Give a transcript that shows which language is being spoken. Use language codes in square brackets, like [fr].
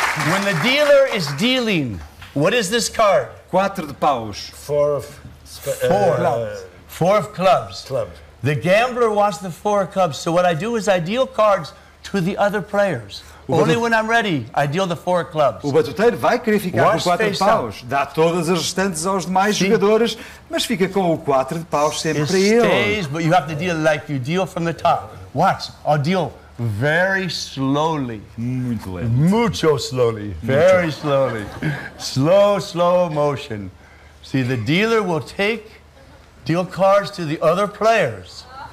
[en] When the dealer is dealing, what is this card? [pt] Quatro de paus. [en] Four of clubs. Four of clubs. The gambler wants the four of clubs, so what I do is I deal cards to the other players. Only when I'm ready, I deal the four of clubs. [pt] O batuteiro vai querer ficar com quatro de paus. Dá todas as restantes aos demais jogadores, mas fica com o quatro de paus sempre para ele. [en] It stays, but you have to deal like you deal from the top. Watch, I'll deal very slowly. [pt] Muito lento. [en] Mucho slowly. Very slowly. Slow motion. See, the dealer will deal cards to the other players.